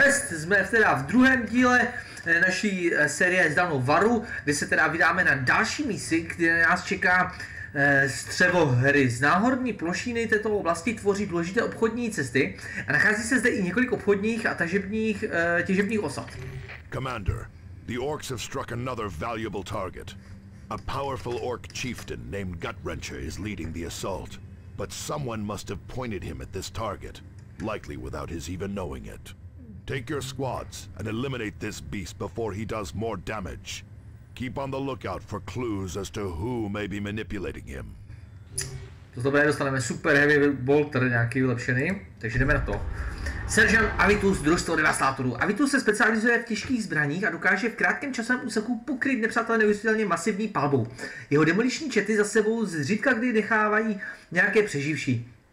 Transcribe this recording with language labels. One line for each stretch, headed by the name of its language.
Czech: jsme teda v druhém díle naší série Zdanou Varu, kde se teda vydáme na další misi, kde nás čeká střevo hry. Z náhorní plošiny této oblasti tvoří důležité obchodní cesty a nachází se zde i několik obchodních a těžebních osad.
English: Commander, the orcs have struck another valuable target. A powerful orc chieftain named Gutwrencher is leading the assault, but someone must have pointed him at this target, likely without his even knowing it. Take your squads and eliminate this beast before he does more damage. Keep on the lookout for clues as to who may be manipulating him.
Czech: To znamená, dostaneme super heavy bolter nějaký vylepšený, takže jdeme na to. Seržant Avitus, družstvo devastátorů. Avitus se specializuje v těžkých zbraních a dokáže v krátkém časovém úseku pokryt nepřátelé neuvěřitelně masivní palbou. Jeho demoliční čety za sebou zřídka kdy nechávají nějaké přeživší.